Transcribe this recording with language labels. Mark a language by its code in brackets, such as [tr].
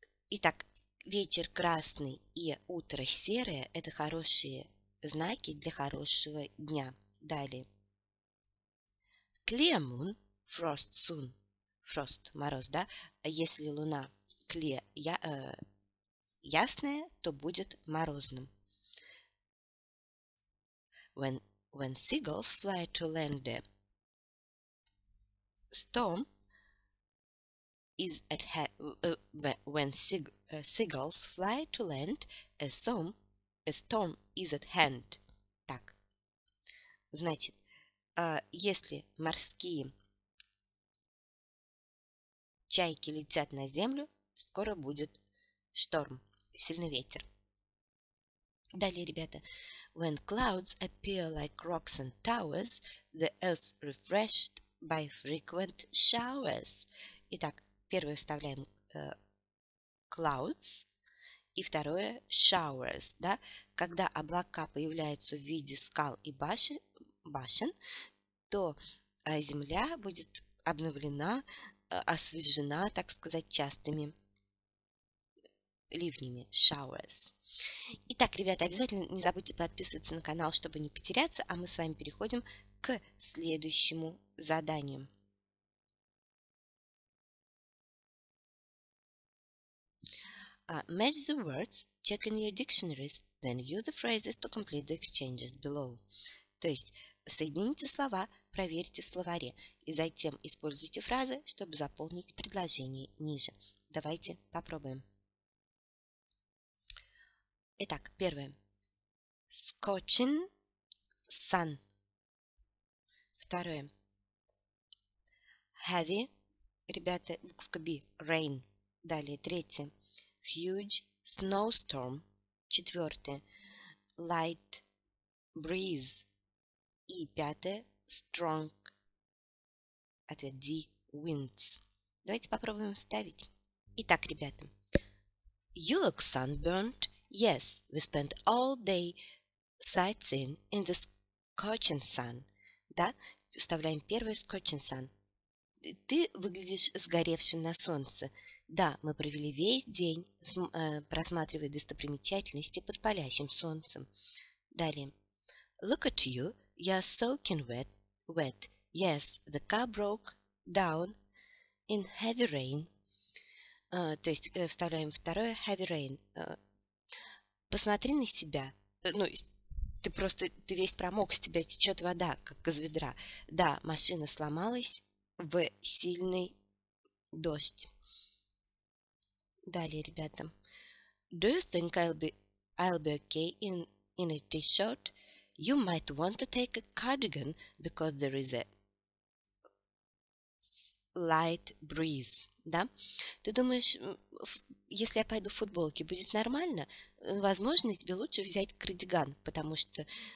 [ru] Итак, вечер красный и утро серое – это хорошие знаки для хорошего дня. Далее. [en] Clear moon, frost soon. [ru] Frost – мороз, да? Если луна clear, ясная, то будет морозным. [en] When seagulls fly to land, storm is at hand. Seagulls fly to land, a storm is at hand. [ru] Так. Значит, если морские чайки летят на землю, скоро будет шторм, сильный ветер. Далее, ребята. [en] When clouds appear like rocks and towers, the earth refreshed by frequent showers. [ru] Итак, первое вставляем clouds, и второе showers, да? Когда облака появляются в виде скал и башен, то земля будет обновлена, освежена, так сказать, частыми ливнями, showers. Итак, ребята, обязательно не забудьте подписываться на канал, чтобы не потеряться, а мы с вами переходим к следующему заданию. [en] Match the words, check in your dictionaries, then use the phrases to complete the exchanges below. [ru] То есть, соедините слова, проверьте в словаре, и затем используйте фразы, чтобы заполнить предложение ниже. Давайте попробуем. Итак, первое. [en] Scorching sun. [ru] Второе. Heavy. Ребята, буковка B. Rain. Далее, третье. [en] Huge snowstorm. [ru] Четвертое. [en] Light breeze. [ru] И пятое. [en] Strong. [ru] Ответ D. [en] Winds. [ru] Давайте попробуем вставить. Итак, ребята. [en] You look sunburnt. Yes, we spent all day sightseeing in the scorching sun. [ru] Да? Вставляем первое scorching sun. Ты выглядишь сгоревшим на солнце. Да, мы провели весь день, просматривая достопримечательности под палящим солнцем. Далее. [en] Look at you, you're soaking wet. Yes, the car broke down in heavy rain. [ru] То есть вставляем второе heavy rain. Посмотри на себя. Ну, ты просто, ты весь промок, с тебя течет вода, как из ведра. Да, машина сломалась в сильный дождь. Далее, ребята. [en] Do you think I'll be okay in a t-shirt? You might want to take a cardigan because there is a light breeze. [ru] Да? Ты думаешь, если я пойду в футболке, будет нормально? Возможно, тебе лучше взять кардиган, потому что